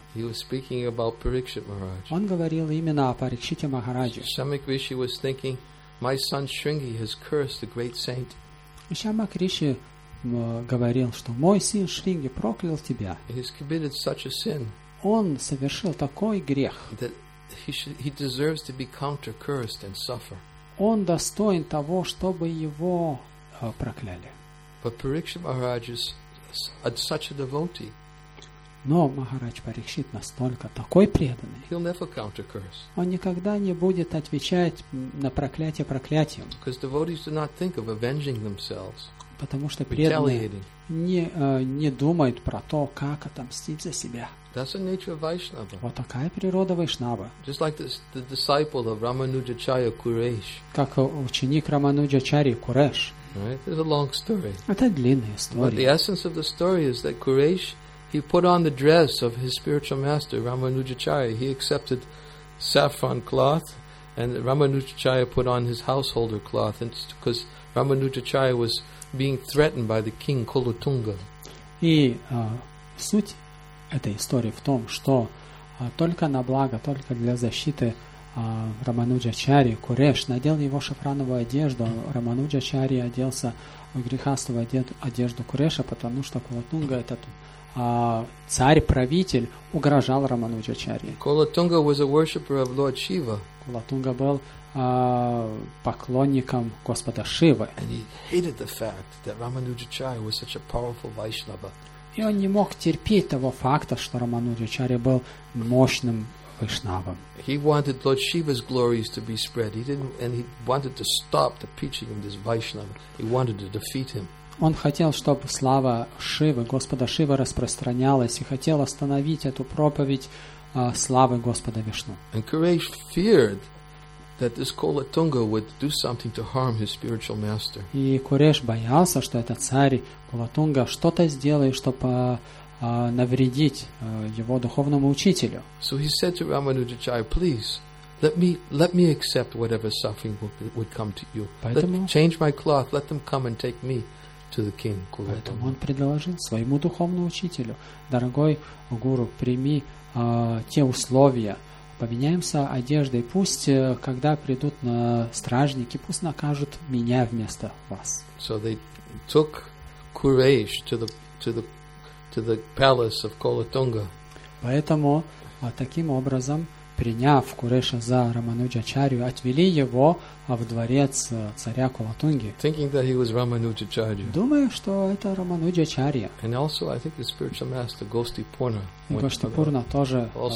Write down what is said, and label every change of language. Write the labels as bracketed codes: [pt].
[en] He was speaking about Parikshit Maharaj. [ru] Он говорил именно о Парикшите Махарадже. [en] Шьямакриши was thinking, my son Шринги has cursed the great saint. [ru] Шьямакриши говорил, что мой сын Шринги проклял тебя. [en] He has committed such a sin. [ru] Он совершил такой грех. [en] That he deserves to be counter-cursed and suffer. [ru] Он достоин того, чтобы его прокляли. [en] But Parikshit Maharaj is such a devotee. [ru] Но Махарадж Парикшит настолько такой преданный. [en] He'll never counter-curse. [ru] Он никогда не будет отвечать на проклятие проклятием. [en] Because devotees do not think of avenging themselves. [ru] потому что преданные не думают про то, как отомстить за себя. [en] That's the nature of Vaishnava. [ru] Вот такая природа Вайшнава. [en] Just like the disciple of Ramanujacharya Kuresh. [ru] Как ученик Рамануджачарьи Куреш. [en] Right? It's a long story. [ru] Это длинная история. [en] But the essence of the story is that Kuresh, he put on the dress of his spiritual master Ramanujacharya. He accepted saffron cloth, and Ramanujacharya put on his householder cloth, and because Ramanujacharya was being threatened by the king Kulutunga. [ru] И суть этой истории в том, что только на благо, только для защиты Рамануджачарьи, Куреш надел его шафрановую одежду, Рамануджачарьи оделся в грехастовую одежду Куреша, потому что Кулатунга, этот царь-правитель, угрожал Рамануджачарьи. [en] Kulutunga was a worshipper of Lord Shiva. [ru] Кулатунга был поклонником Господа Шивы. [en] And he hated the fact that Рамануджачарьи was such a powerful Vaishnava. [ru] И он не мог терпеть того факта, что Рамануджачарья был мощным вайшнавом. [en] He wanted Lord Shiva's glories to be spread. He wanted to stop the preaching of this Vaishnava. He wanted to defeat him. [ru] Он хотел, чтобы слава Шивы, Господа Шивы, распространялась, и хотел остановить эту проповедь славы Господа Вишну. [en] And Kuresh feared that this Kulutunga would do something to harm his spiritual master. [ru] И Куреш боялся, что этот царь Кулатунга что-то сделает, чтобы навредить его духовному учителю. [en] So he said to Ramanujacharya, please, let me accept whatever suffering would come to you. [ru] Поэтому [en] change my cloth, let them come and take me to the king Kulutunga. [ru] Поэтому он предложил своему духовному учителю: дорогой гуру, прими те условия, поменяемся одеждой, пусть, когда придут на стражники, пусть накажут меня вместо вас. [en] So they took Kuresh to the palace of Kulutunga. [ru] Поэтому таким образом, приняв Куреша за Рамануджачарью, отвели его в дворец царя Кулатунги. [en] Thinking that he was Рамануджачарья. [ru] Думая, что это Рамануджачарья. [en] And also, I think his spiritual master Гоштипурна. [ru] И Гоштипурна тоже